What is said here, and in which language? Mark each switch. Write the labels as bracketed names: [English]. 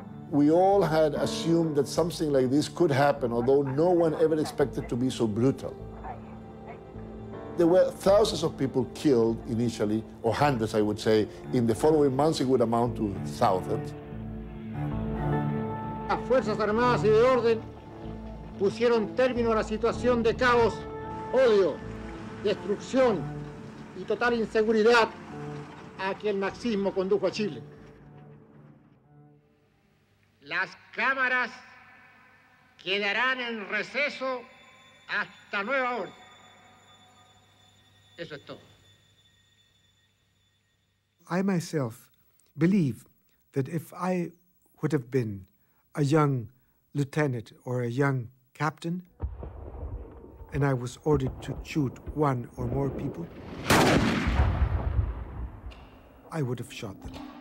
[English] We all had assumed that something like this could happen, although no one ever expected to be so brutal. There were thousands of people killed initially, or hundreds, I would say. In the following months, it would amount to thousands. [Spanish] Las fuerzas armadas y de orden pusieron término a la situación de caos, odio, destrucción y total inseguridad a que el marxismo condujo a Chile. Las cámaras quedarán en receso hasta nueva orden. [English] I myself believe that if I would have been a young lieutenant or a young captain and I was ordered to shoot one or more people, I would have shot them.